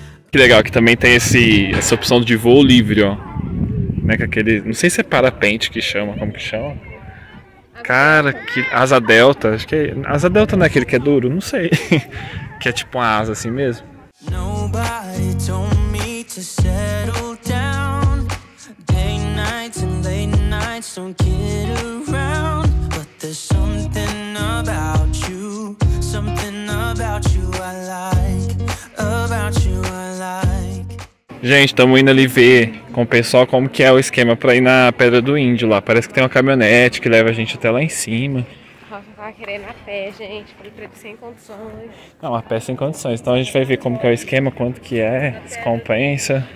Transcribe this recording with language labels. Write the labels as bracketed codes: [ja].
[pt] Que legal que também tem essa opção de voo livre, ó. Né, com aquele, não sei se é parapente que chama, como que chama? Cara, que asa delta, acho que é, asa delta não é aquele que é duro, não sei. Que é tipo uma asa assim mesmo. [en] Nobody told me to settle down. Day nights and late nights don't get around. But there's something about you, something about you I like, about you I like. [pt] Gente, estamos indo ali ver com o pessoal como que é o esquema para ir na Pedra do Índio lá. Parece que tem uma caminhonete que leva a gente até lá em cima. Nossa, eu tava querendo a pé, gente. Falei pra ele sem condições. Não, a pé sem condições. Então a gente vai ver como que é o esquema, quanto que é, se compensa.